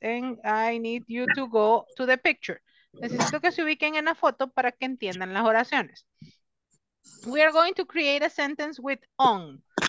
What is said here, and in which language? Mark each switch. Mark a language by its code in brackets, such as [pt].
[en] And I need you to go to the picture. [es] Necesito que se ubiquen en la foto para que entiendan las oraciones. [en] We are going to create a sentence with on.